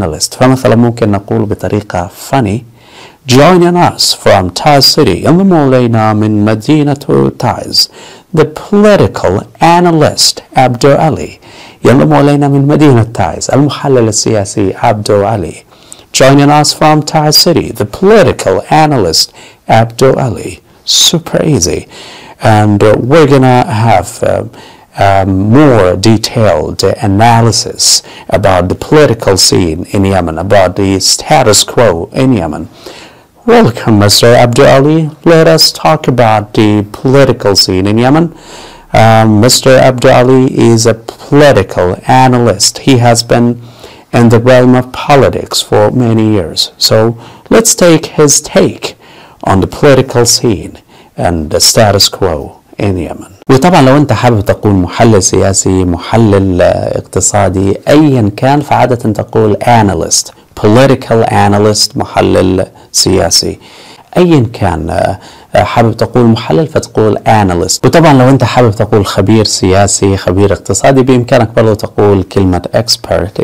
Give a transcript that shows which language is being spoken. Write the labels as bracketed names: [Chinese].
[Arabic] فمثلا ممكن نقول بطريقة [English] funny joining us from Taz City، [Arabic] انضموا لنا من مدينة تايز [English] the political analyst Abdul Ali، [Arabic] ينضم إلينا من مدينة تايز المحلل السياسي عبدو علي. [English] Joining us from Taiz City, the political analyst Abdul Ali. Super easy. And we're gonna have more detailed analysis about the political scene in Yemen, about the status quo in Yemen. Welcome, Mr. Abdul Ali. Let us talk about the political scene in Yemen. Mr. Abdul Ali is a political analyst. He has been in the realm of politics for many years. So let's take his take on the political scene and the status quo in Yemen. [Arabic] وطبعا لو انت حابب تقول محلل سياسي، محلل اقتصادي، ايا كان، فعادة تقول [English] analyst, political analyst، [Arabic] محلل سياسي. ايا كان حابب تقول محلل فتقول analyst. وطبعا لو انت حابب تقول خبير سياسي، خبير اقتصادي، بامكانك برضو تقول كلمة expert.